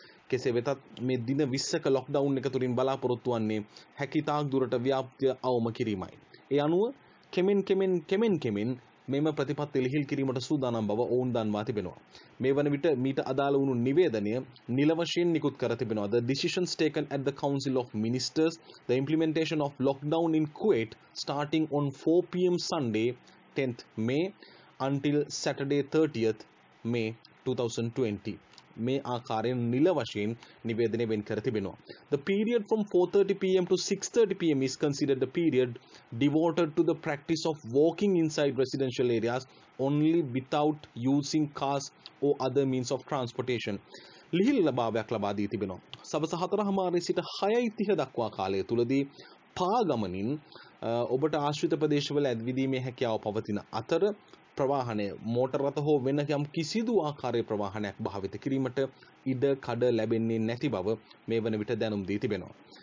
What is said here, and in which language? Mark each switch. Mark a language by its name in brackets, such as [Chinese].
[Sinhala] කෙසේ වෙතත් මේ දින 20ක ලොක්ඩවුන් එක තුරින් බලාපොරොත්තු වන්නේ හැකි තාක් දුරට ව්‍යාප්තිය අවම කිරීමයි. ඒ අනුව කෙමෙන් කෙමෙන් මෙම ප්‍රතිපත්ති ලිහිල් කිරීමට සූදානම් බව ඔවුන් දන්වා තිබෙනවා. මේ වන විට මීට අදාළ වුණු නිවේදනය නිල වශයෙන් නිකුත් කර තිබෙනවා. [English] The decisions taken at the Council of Ministers, the implementation of lockdown in Kuwait starting on 4 p.m. Sunday, 10th May, until Saturday, 30th May 2020. [Sinhala] මේ ආකාරයෙන් නිල වශයෙන් නිවේදනය වෙන් කර තිබෙනවා. [English] The period from 4:30 p.m. to 6:30 p.m. is considered the period devoted to the practice of walking inside residential areas only without using cars or other means of transportation. [Sinhala] ලිහිල් ලබාවයක් ලබා දී තිබෙනවා. සවස 4:00 සිට 6:30 දක්වා කාලය තුලදී පාගමනින් ඔබට ආශ්‍රිත ප්‍රදේශවල ඇද්විදීමේ හැකියාව පවතින අතර ප්‍රවාහනය මෝටර් රථ හෝ වෙන යම් කිසිදු ආකාරයේ ප්‍රවාහනයක් භාවිත කිරීමට ඉඩ කඩ ලැබෙන්නේ නැති බව මේ වන විට දැනුම් දී තිබෙනවා.